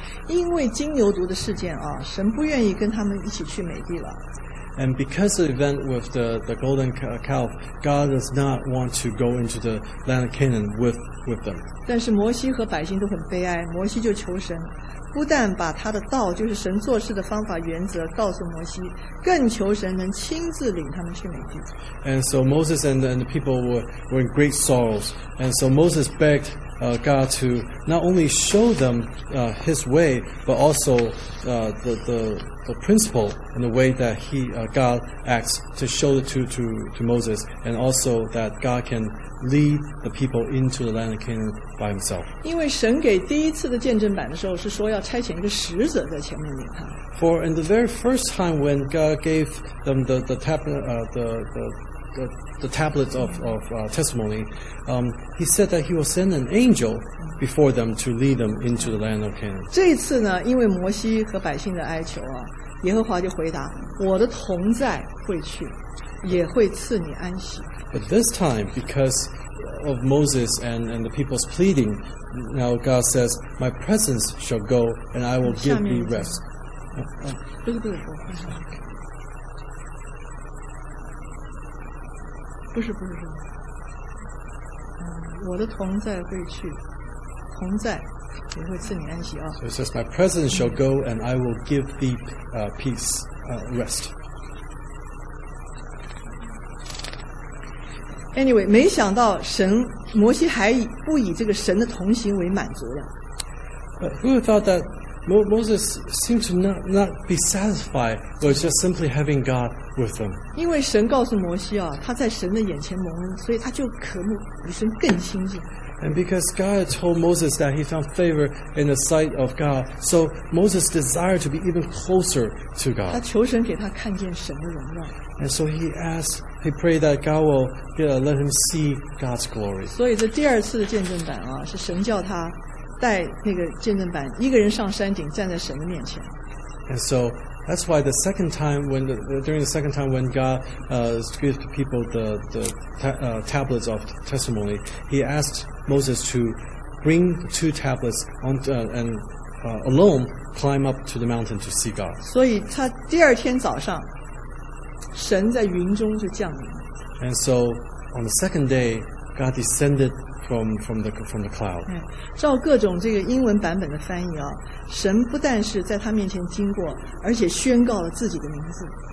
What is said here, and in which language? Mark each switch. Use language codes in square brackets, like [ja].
[zh] 因为金牛犊的事件啊，神不愿意跟他们一起去美地了。 [en] And because of the event with the golden calf, God does not want to go into the land of Canaan with them. [zh] 但是摩西和百姓都很悲哀，摩西就求神，不但把他的道，就是神做事的方法原则告诉摩西，更求神能亲自领他们去美地。 [en] And so Moses and the people were in great sorrows. And so Moses begged God to not only show them his way, but also the principle and the way that God acts to show it to Moses, and also that God can lead the people into the land of Canaan by himself. [zh] 因为神给第一次的见证板的时候是说要差遣一个使者在前面领他。 [en] For in the very first time when God gave them the tablets of testimony, he said that he will send an angel before them to lead them into the land of Canaan. [zh] 这次呢，因为摩西和百姓的哀求啊，耶和华就回答，我的同在会去，也会赐你安息。 [en] But this time, because of Moses and the people's pleading, now God says, my presence shall go, and I will give thee rest. [zh] 不是，我的同在会去，同在也会赐你安息啊。 [en] So it says, my presence shall go, and I will give thee peace, rest. [zh] Anyway, 没想到神，摩西还不以这个神的同行为满足了。 [en] Who thought that Moses seemed to not be satisfied with just simply having God with them. [zh] 因为神告诉摩西啊，他在神的眼前蒙恩，所以他就渴慕与神更亲近。 [en] And because God told Moses that he found favor in the sight of God, so Moses desired to be even closer to God. [zh] 他求神给他看见神的荣耀。 [en] And so he asked, he prayed that God will let him see God's glory. [zh] 所以这第二次的见证板啊，是神叫他带那个见证板，一个人上山顶，站在神的面前。 [en] And so that's why the second time, when God gave the people the tablets of testimony, he asked Moses to bring the two tablets on alone climb up to the mountain to see God. [zh] 所以他第二天早上，神在云中就降临。 [en] And so on the second day, God descended from the cloud. [zh] 照各种这个英文版本的翻译啊，神不但是在他面前经过，而且宣告了自己的名字。